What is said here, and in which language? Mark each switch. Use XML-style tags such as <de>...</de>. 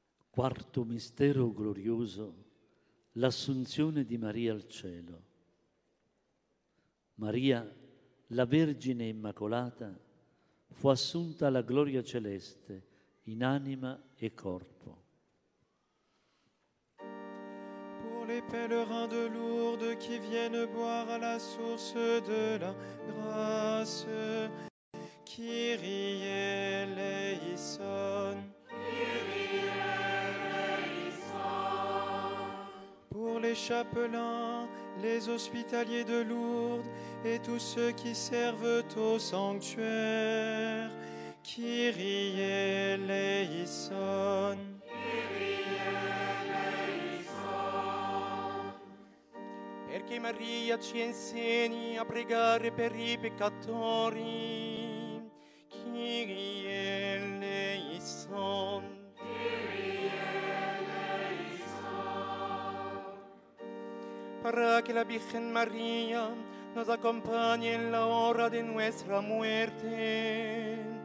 <it>Quarto mistero glorioso, l'assunzione di Maria al cielo. Maria, la Vergine Immacolata, fu assunta alla gloria celeste in anima e corpo.</it> <fr>Pour les pèlerins de Lourdes qui viennent boire à la source de la grâce, Kyrie eleison. Les chapelains, les hospitaliers de Lourdes et tous ceux qui servent au sanctuaire, Kyrie eleison.</fr> <el>Kyrie eleison.</el> <it>Perché Maria ci insegni a pregare per i peccatori, Kyrie eleison.</it> <es>Para que la Virgen María nos acompañe en la hora de nuestra muerte.</es>